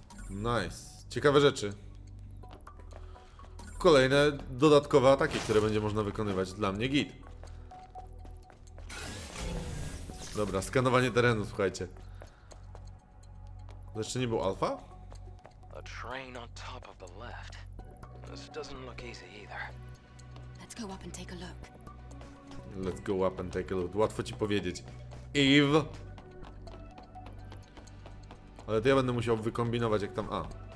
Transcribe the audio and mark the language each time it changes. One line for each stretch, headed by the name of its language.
Polish: Nice. Ciekawe rzeczy. Kolejne dodatkowe ataki, które będzie można wykonywać. Dla mnie git. Dobra, skanowanie terenu, słuchajcie. Jeszcze nie był alfa?
English: A train on top of the left. This doesn't look easy either. Let's go up and take a look. Let's go up and take a look.
Polish: Łatwo ci powiedzieć. Eve. Ale to ja będę musiał wykombinować, jak tam. A.